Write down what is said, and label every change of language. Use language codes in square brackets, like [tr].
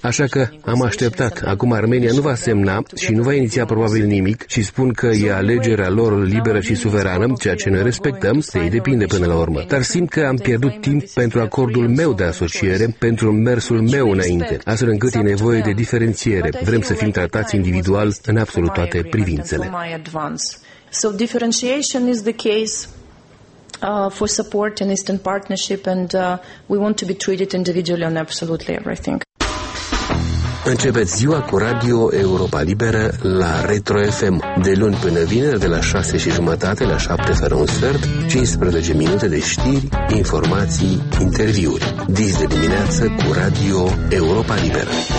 [ro] Așa că am așteptat. Acum Armenia nu va semna și nu va iniția probabil nimic și spun că e alegerea lor liberă și suverană, ceea ce noi respectăm, se îi depinde până la urmă. Dar simt că am pierdut timp pentru acordul meu de asociere, pentru mersul meu înainte, astfel încât e nevoie de diferențiere. Vrem să fim tratați individual în absolut toate privințele. [en] So differentiation is the case for support and Eastern Partnership, and we want to be treated individually on absolutely everything. [ro] Începeți ziua cu Radio Europa Liberă la Retro FM. De luni până vineri, de la 6:30 la 7:15, 15 minute de știri, informații, interviuri. Dis de dimineață cu Radio Europa Liberă.